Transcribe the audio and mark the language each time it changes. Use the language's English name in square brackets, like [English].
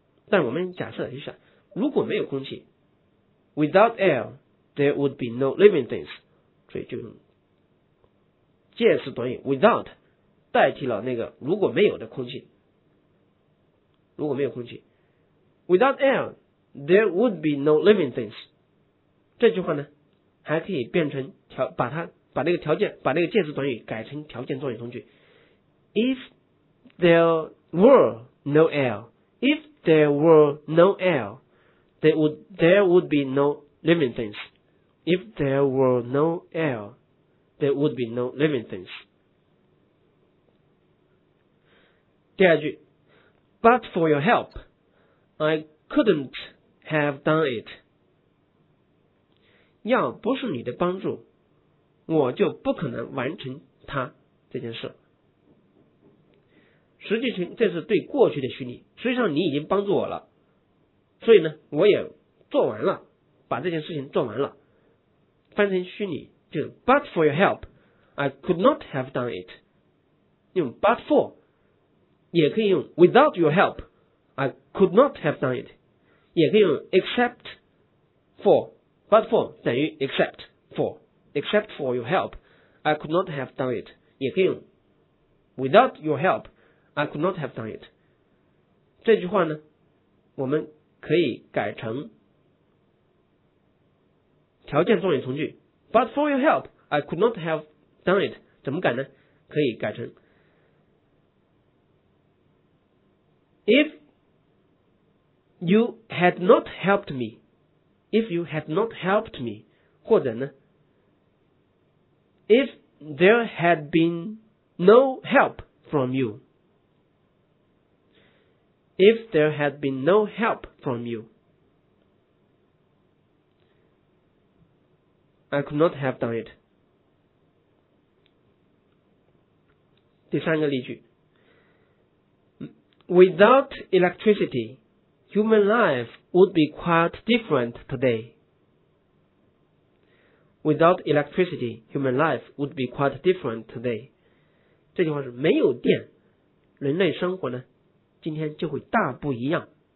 [Chinese] 但我们假设一下，如果没有空气， [English] Without air, there would be no living things. [Chinese] 所以就用介词短语 without 代替了那个如果没有的空气。如果没有空气， [English] Without air, there would be no living things. [Chinese] 这句话呢还可以变成把那个条件，把那个介词短语改成条件状语从句。 [English] If there were no air, if there were no air, there would be no living things. If there were no air, there would be no living things. [Chinese] 第二句， [English] But for your help, I couldn't have done it. [Chinese] 要不是你的帮助，我就不可能完成它这件事。实际上这是对过去的虚拟，实际上你已经帮助我了，所以呢我也做完了，把这件事情做完了。翻成虚拟就是 [English] But for your help, I could not have done it. 用 but for, [Chinese] 也可以用 [English] without your help, I could not have done it. [Chinese] 也可以用 [English] except for,But for [Chinese] 等于 [English] except for your help, I could not have done it. [Chinese] 也可以用 [English] without your help, I could not have done it. [Chinese] 这句话呢，我们可以改成条件状语从句。 [English] But for your help, I could not have done it. [Chinese] 怎么改呢？可以改成 [English] If you had not helped me. If you had not helped me, [Chinese] 或者呢 [English] If there had been no help from you, If there had been no help from you, I could not have done it. [Chinese] 第三个例句 [English] Without electricity,Human life would be quite different today. Without electricity, human life would be quite different today. [Chinese] 这句话是没有电，人类生活呢，今天就会大不一样。